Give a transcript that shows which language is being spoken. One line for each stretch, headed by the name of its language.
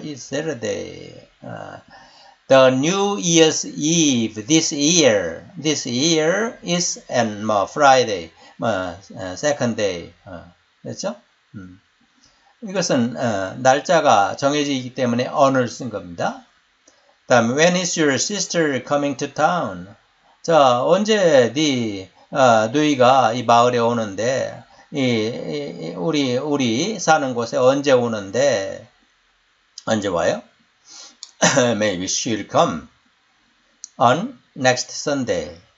English: It's Saturday. The New Year's Eve this year. This year is an Friday. Second day.
Korean: 됐죠? 이것은 날짜가 정해지기 때문에 on을 쓴 겁니다.
English: 다음, When is your sister coming to town?
Korean: 자, 언제 네 누이가 이 마을에 오는데? 우리 사는 곳에 언제 오는데, 언제 와요?
English: Maybe she'll come on next Sunday.